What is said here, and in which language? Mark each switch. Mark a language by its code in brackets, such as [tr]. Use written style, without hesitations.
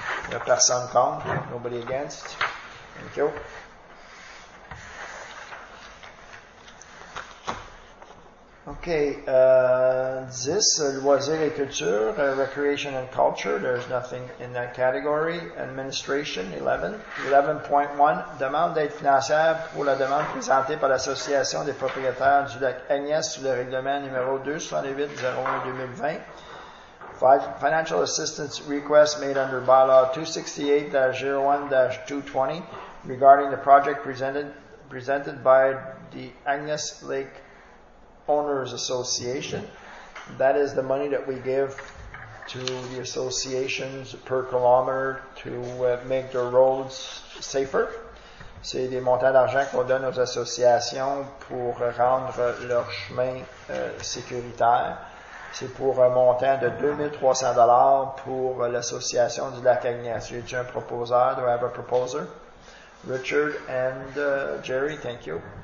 [en] 9.4, [fr] personne contre, [en] nobody against. Thank you. 10, [fr] loisirs et culture, [en] recreation and culture, there's nothing in that category. Administration, 11. [fr] 11.1, demande d'aide financière pour la demande présentée par l'Association des propriétaires du lac Agnès sous le règlement numéro 278-01-2020. [en] Financial assistance request made under bylaw 268-01-220 regarding the project presented by the Agnès Lake Owners Association. That is the money that we give to the associations per kilometer to make their roads safer. [fr] C'est des montants d'argent qu'on donne aux associations pour rendre leur chemin sécuritaire. C'est pour un montant de $2,300 pour l'association du lac Agnès. J'ai un proposeur. [en] Do I have a proposer? Richard and Jerry, thank you.